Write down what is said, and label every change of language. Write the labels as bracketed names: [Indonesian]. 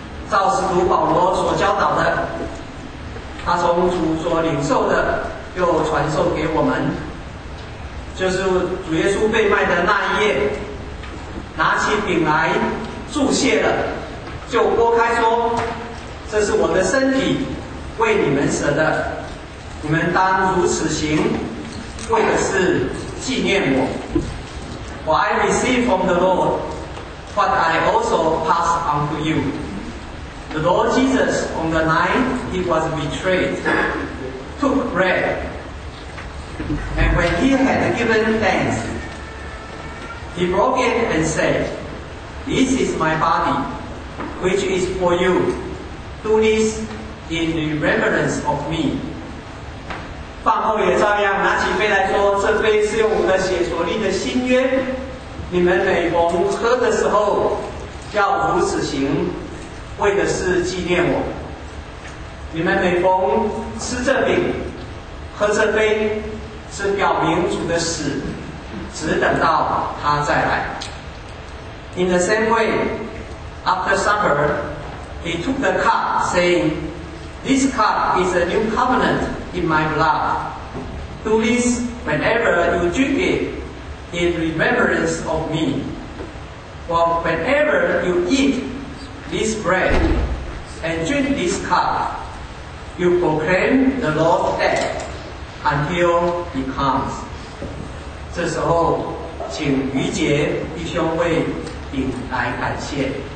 [Chinese] 照使徒保罗所教导的，他从主所领受的，又传授给我们，就是主耶稣被卖的那一夜，拿起饼来祝谢了，就拨开说：“这是我的身体，为你们舍的，你们当如此行，为的是纪念我。” [English] For I receive from the Lord what I also pass on to you. The Lord Jesus, on the night he was betrayed, took bread. And when he had given thanks, he broke it and said, This is my body, which is for you. Do this in remembrance of me. [Chinese] 饭后也照样拿起杯来说，这杯是用我的血所立的新约，你们每逢喝的时候要如此行，为的是纪念我。你们每逢吃这饼喝这杯，是表明主的死，只等到他再来。 [English] In the same way, after supper, he took the cup, saying, This cup is a new covenant in my blood. Do this whenever you drink itIn remembrance of me. For whenever you eat this bread and drink this cup, you proclaim the Lord's death until he comes. [Chinese] 这时候请余杰弟兄为饼来感谢。